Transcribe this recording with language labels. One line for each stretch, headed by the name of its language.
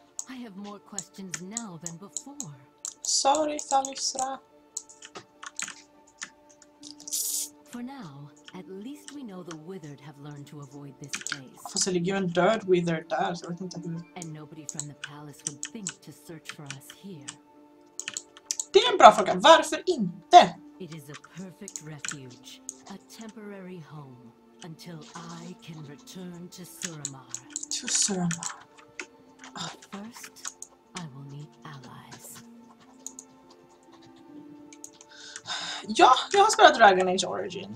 English: I have more questions now than before. Sorry, Thalysra. For now, at least we know the Withered have learned to avoid this place.
Swedish: Fast, ligger en död Withered där, så jag vet inte hur.
English: And nobody from the palace would think to search for us here.
Swedish: Det är en bra fråga, varför inte?
English: It is a perfect refuge, a temporary home, until I can return to Suramar. To Suramar. First, I will need allies.
Swedish: Ja, jag har spelat Dragon Age Origin.